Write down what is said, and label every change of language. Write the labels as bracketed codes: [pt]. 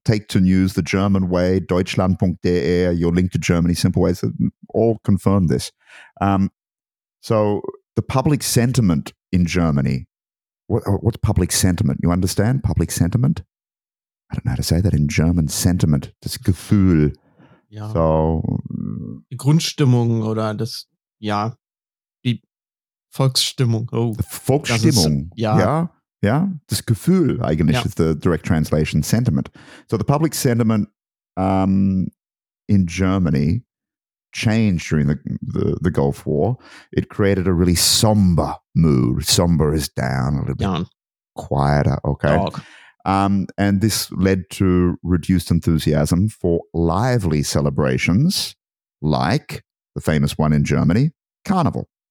[en] Take to News, The German Way, Deutschland.de, Your Link to Germany, Simple Ways, all confirmed this. So the public sentiment in Germany, what's public sentiment? You understand public sentiment? I don't know how to say that in German, sentiment, [de] das Gefühl. Ja. [en] So. [de] Die Grundstimmung oder das, ja, die Volksstimmung. Oh, Volksstimmung, ist, ja. Ja. Ja, das Gefühl eigentlich ist [en] the direct translation sentiment. So the public sentiment in Germany changed during the Gulf War. It created a really somber mood. Somber is down a little bit. Quieter, okay. Dog. And this led to reduced enthusiasm for lively celebrations like the famous one in Germany, Carnival.